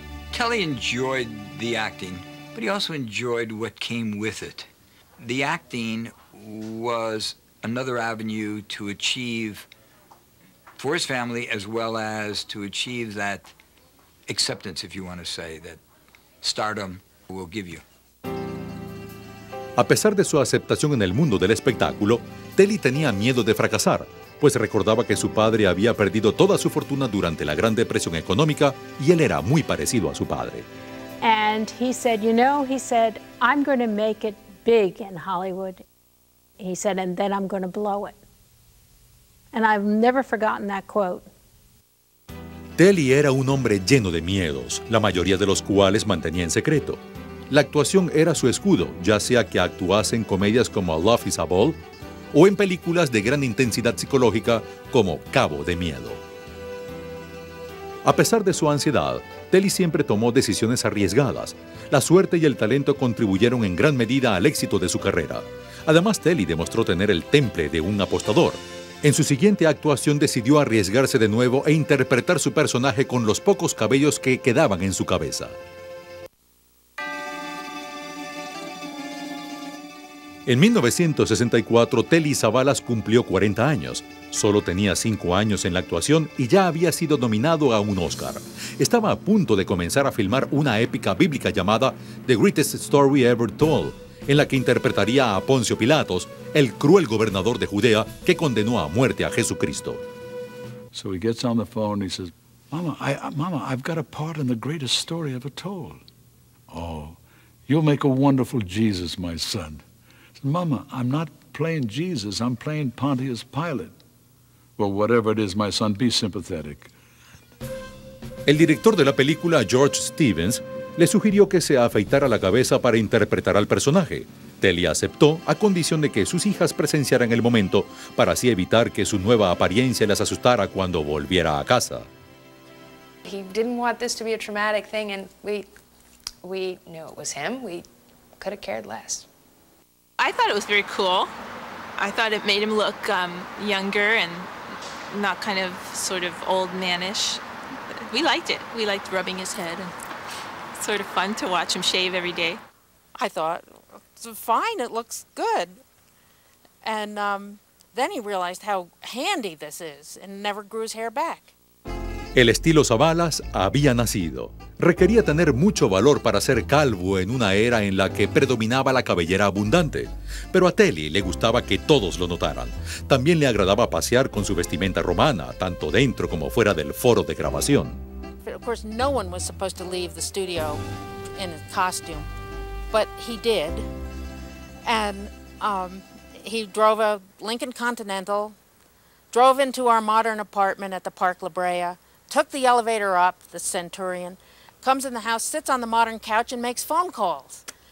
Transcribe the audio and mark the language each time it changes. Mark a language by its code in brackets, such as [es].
[en] Telly enjoyed the acting, but he also enjoyed what came with it. The acting was another avenue to achieve for his family, as well as to achieve that acceptance, if you want to say, that stardom will give you. [es] A pesar de su aceptación en el mundo del espectáculo, Telly tenía miedo de fracasar, pues recordaba que su padre había perdido toda su fortuna durante la Gran Depresión económica y él era muy parecido a su padre. [en] And he said, you know, he said, I'm going to make it big in Hollywood. He said, and then I'm going to blow it. And I've never forgotten that quote. [es] Telly era un hombre lleno de miedos, la mayoría de los cuales mantenía en secreto. La actuación era su escudo, ya sea que actuase en comedias como Love is a Ball o en películas de gran intensidad psicológica como Cabo de Miedo. A pesar de su ansiedad, Telly siempre tomó decisiones arriesgadas. La suerte y el talento contribuyeron en gran medida al éxito de su carrera. Además, Telly demostró tener el temple de un apostador. En su siguiente actuación decidió arriesgarse de nuevo e interpretar su personaje con los pocos cabellos que quedaban en su cabeza. En 1964, Telly Savalas cumplió 40 años. Solo tenía 5 años en la actuación y ya había sido nominado a un Oscar. Estaba a punto de comenzar a filmar una épica bíblica llamada The Greatest Story Ever Told, en la que interpretaría a Poncio Pilatos, el cruel gobernador de Judea que condenó a muerte a Jesucristo. [en] So he gets on the phone and he says, Mama, I've got a part in the greatest story ever told. Oh, you'll make a wonderful Jesus, my son. Mama, I'm not playing Jesus, I'm playing Pontius Pilate. Well, whatever it is, my son, be sympathetic. [es] El director de la película, George Stevens, le sugirió que se afeitara la cabeza para interpretar al personaje. Telly aceptó a condición de que sus hijas presenciaran el momento para así evitar que su nueva apariencia las asustara cuando volviera a casa. [en] He didn't want this to be a traumatic thing, and we knew it was him. We could have cared less. I thought it was very cool. I thought it made him look younger and not kind of sort of old man-ish. We liked it. We liked rubbing his head and sort of fun to watch him shave every day. I thought, fine, it looks good. And then he realized how handy this is and never grew his hair back. [es] El estilo Savalas había nacido. Requería tener mucho valor para ser calvo en una era en la que predominaba la cabellera abundante. Pero a Telly le gustaba que todos lo notaran. También le agradaba pasear con su vestimenta romana, tanto dentro como fuera del foro de grabación. [en] Of course, no one was supposed to leave the studio in a costume, but he did. And he drove a Lincoln Continental, drove into our modern apartment at the Park La Brea, took the elevator up, the Centurion, comes in the house, sits on the modern couch, and makes phone calls.